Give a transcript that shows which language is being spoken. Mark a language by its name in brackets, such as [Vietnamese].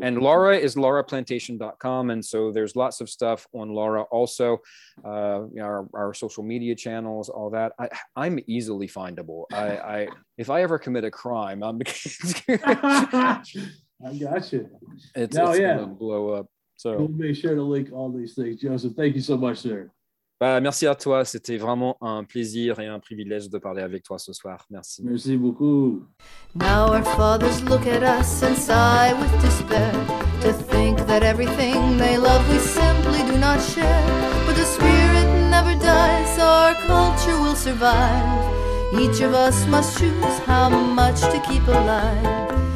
[English] And Laura is lauraplantation.com, and so there's lots of stuff on Laura also, our social media channels, all that. I'm easily findable. I if I ever commit a crime, I'm I gotcha. It's gonna blow up. So we'll make sure to link all these things. Joseph, thank you so much, sir. [French] Merci à toi. C'était vraiment un plaisir et un privilège de parler avec toi ce soir. Merci. Merci beaucoup. [English] Now our fathers look at us and sigh with despair to think that everything they love we simply do not share. But the spirit never dies, our culture will survive. Each of us must choose how much to keep alive.